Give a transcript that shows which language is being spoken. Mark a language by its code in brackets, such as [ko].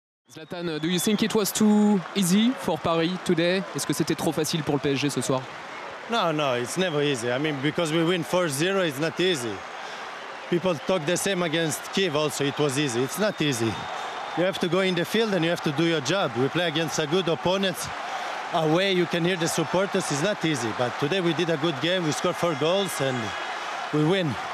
[en] Zlatan, do you think it was too easy for Paris today? [fr] Est-ce que c'était trop facile pour le PSG ce soir? [en] No, no, it's never easy. I mean, because we win 4-0, it's not easy. People talk the same against Kyiv also, it was easy. It's not easy. You have to go in the field and you have to do your job. We play against a good opponent. Away, you can hear the supporters, it's not easy. But today we did a good game, we scored 4 goals and we win.